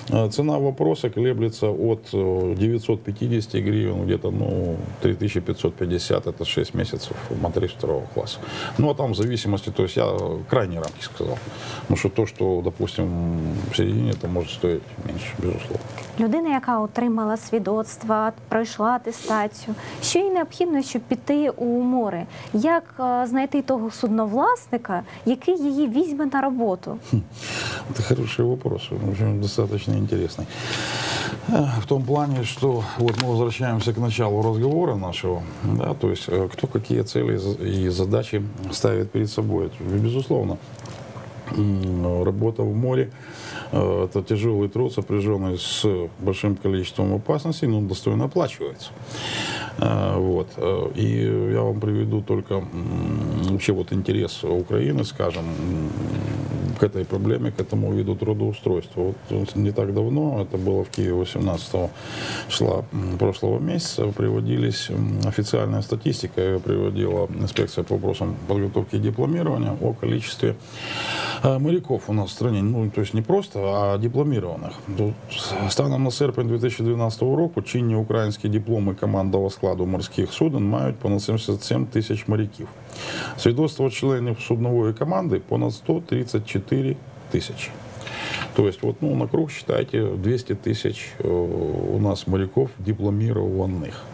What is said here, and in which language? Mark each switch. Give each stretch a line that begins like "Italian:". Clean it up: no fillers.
Russian: Цена вопроса колеблется от 950 гривен, где-то, ну, 3550, это 6 месяцев моторист второго класса. Ну, а там в зависимости, то есть я крайние рамки сказал. Потому что то, что, допустим, в середине, это может стоить меньше, безусловно.
Ukrainian: Людина, яка отримала свідоцтво, пройшла атестацію, що їй необхідно, щоб піти у море? Як знайти того судновласника, який її візьме на роботу? Це хороший вопрос, достатньо цікавий.
Russian: В том плане, что вот мы возвращаемся к началу разговора нашего, да, то есть кто какие цели и задачи ставит перед собой, безусловно. Работа в море – это тяжелый труд, сопряженный с большим количеством опасностей, но достойно оплачивается. Вот. И я вам приведу только вообще вот интерес Украины, скажем, к этой проблеме, к этому виду трудоустройства. Вот не так давно, это было в Киеве 18 числа прошлого месяца, приводились официальная статистика, ее приводила инспекция по вопросам подготовки и дипломирования о количестве моряков у нас в стране, ну, то есть не просто, а дипломированных.
Ukrainian: Станом на серпень 2012 року чинні українські дипломи командного складу морських суден мають понад 77 тисяч моряків. Свідоцтво членів суднової команди – понад 134 тисячі.
Russian: То есть, вот, ну, на круг, считайте, 200 тысяч у нас моряков дипломированных.